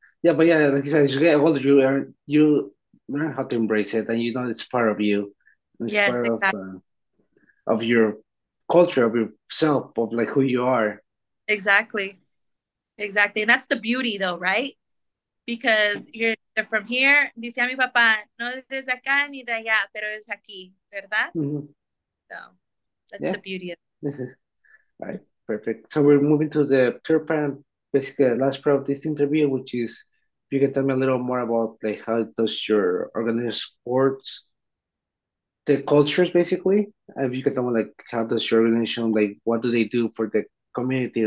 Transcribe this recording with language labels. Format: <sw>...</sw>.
<en>Yeah, but yeah, like you said, as you get older, you learn how to embrace it, and you know it's part of you. It's yes, part exactly. Of your culture, of yourself, of like who you are. Exactly. Exactly. And that's the beauty though, right? Because you're from here,</en> <es>dice a mi papá, no eres de acá ni de allá, pero es aquí, ¿verdad?</es> <en>So that's yeah. The beauty of it. All right, perfect. So we're moving to the third part, basically the last part of this interview, which is if you can tell me a little more about like how does your organization support the cultures, basically. If you can tell me like how does your organization, like what do they do for the community?</en>